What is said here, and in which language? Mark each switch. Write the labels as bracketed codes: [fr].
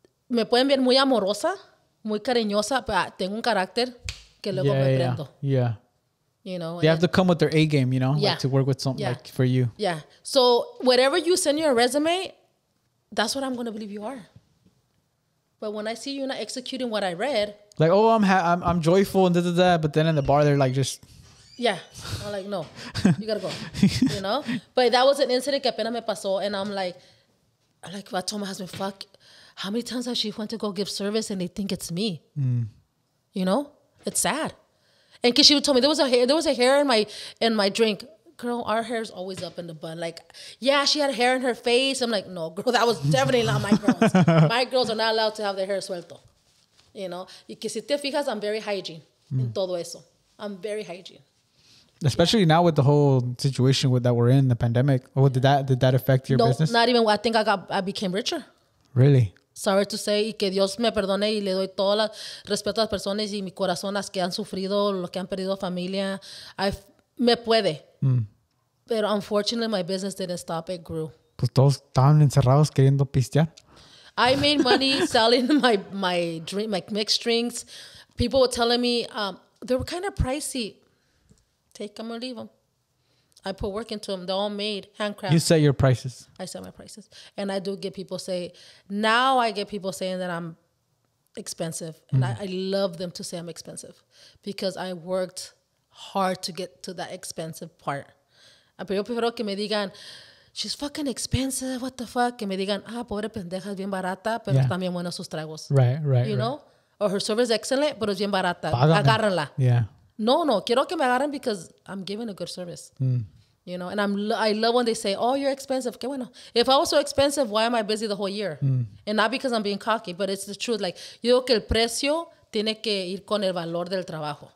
[es] Me pueden ver muy amorosa, muy cariñosa, pero tengo un carácter que luego me prendo. [en] Yeah. Yeah. You know, they have to come with their A game, you know, like to work with something like for you. Yeah. So whatever you send your resume, that's what I'm going to believe you are. But when I see you not executing what I read, like, oh, I'm joyful and da da da, but then in the bar they're like just, yeah, I'm like, no, you gotta go, you know. But that was an incident [es] que apenas me pasó, [en] and I'm like, I told my husband, fuck, how many times has she went to go give service and they think it's me, you know? It's sad. And because she would tell me there was a hair in my drink. Girl, our hair is always up in the bun. Like, yeah, she had hair in her face. I'm like, no, girl, that was definitely not my girls. My girls are not allowed to have their hair [es] suelto. [en] You know? [es] Y que si te fijas, [en] I'm very hygiene. [es] En todo eso. I'm very hygiene. [en] Especially now with the whole situation that we're in, the pandemic. Oh, yeah. Did that affect your business? No, not even. I think I became richer. Really? Sorry to say, [es] y que Dios me perdone y le doy todo el respeto a las personas y mi corazón las que han sufrido, los que han perdido familia. Me puede. [en] But unfortunately, my business didn't stop. It grew. [es] Pues todos estaban encerrados queriendo pistear. [en] I made money selling my drink, my mixed drinks. People were telling me they were kind of pricey. Take them or leave them. I put work into them. They're all made, handcrafted. You set your prices. I set my prices. And I do get people say, now I get people saying that I'm expensive. And I love them to say I'm expensive because I worked hard to get to that expensive part. [es] Pero yo prefiero que me digan, [en] she's fucking expensive, what the fuck? [es] Que me digan, ah, pobre pendeja, es bien barata, pero están bien buenos sus tragos. [en] Right. You know? Or her service excellent, [es] pero es bien barata. Agárrala. [en] Yeah. [es] No, quiero que me agarren [en] because I'm giving a good service. Mm. You know, and I love when they say, oh, you're expensive. [es] Qué bueno. [en] If I was so expensive, why am I busy the whole year? Mm. And not because I'm being cocky, but it's the truth. Like, [es] yo creo que el precio tiene que ir con el valor del trabajo.